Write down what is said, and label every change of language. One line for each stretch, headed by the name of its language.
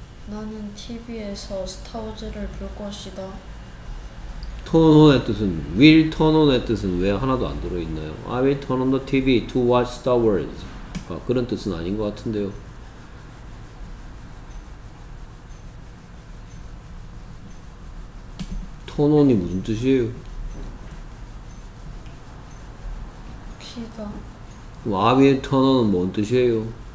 Korean: 나는 TV에서 스타워즈를 볼 것이다. Turn on의 뜻은 will turn on의 뜻은 왜 하나도 안 들어있나요?
English: I will turn on the TV to watch Star Wars.
Korean: 아, 그런 뜻은 아닌 것 같은데요. 톤온이 무슨 뜻이에요? 귀가. 와비의 톤온은 뭔 뜻이에요?